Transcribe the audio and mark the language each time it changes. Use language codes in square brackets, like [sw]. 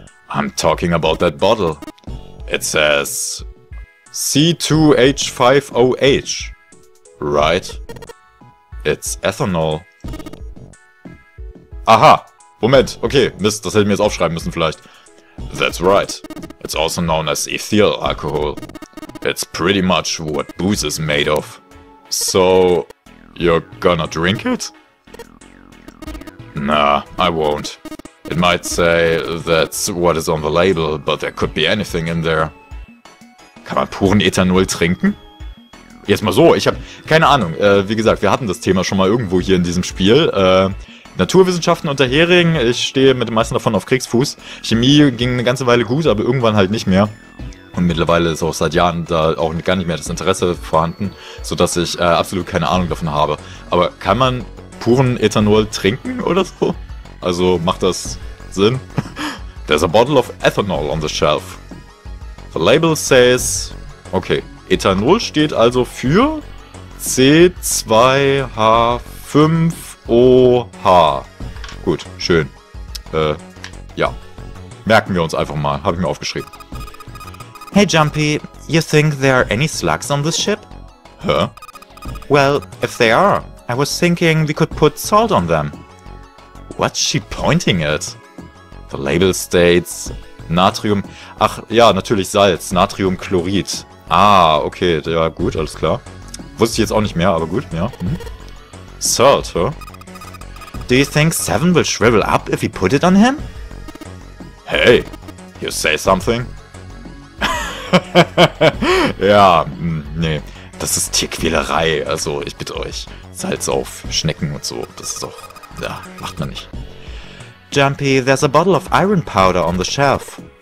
[en] I'm talking about that bottle. It says C2H5OH. Right? It's ethanol. Aha! [de] Moment, okay, Mist, das hätte ich mir jetzt aufschreiben müssen vielleicht. [en] That's right. It's also known as ethyl alcohol. It's pretty much what booze is made of. So, you're gonna drink it? Nah, I won't. It might say that's what is on the label, but there could be anything in there. [de] Kann man puren Ethanol trinken? Jetzt mal so, ich hab keine Ahnung. Wie gesagt, wir hatten das Thema schon mal irgendwo hier in diesem Spiel. Naturwissenschaften unter Hering, ich stehe mit den meisten davon auf Kriegsfuß. Chemie ging eine ganze Weile gut, aber irgendwann halt nicht mehr. Und mittlerweile ist auch seit Jahren da auch gar nicht mehr das Interesse vorhanden, sodass ich absolut keine Ahnung davon habe. Aber kann man puren Ethanol trinken oder so? Also macht das Sinn? [en] There's a bottle of ethanol on the shelf. The label says... [de] Okay, Ethanol steht also für C2H5OH. Gut, schön. Ja. Merken wir uns einfach mal, habe ich mir aufgeschrieben. [en] Hey Jumpy, you think there are any slugs on this ship? Huh? Well, if they are, I was thinking we could put salt on them. What's she pointing at? The label states [de] Natrium... Ach ja, natürlich Salz, Natriumchlorid. Ah, okay, ja gut, alles klar. Wusste ich jetzt auch nicht mehr, aber gut, ja. Mhm. [en] Salt, huh? Do you think Seven will shrivel up if we put it on him? Hey, you say something? [de] Ja, nee, das ist Tierquälerei, also ich bitte euch, Salz auf Schnecken und so, das ist doch, ja, macht man nicht. [en] Jumpy, there's a bottle of iron powder on the shelf.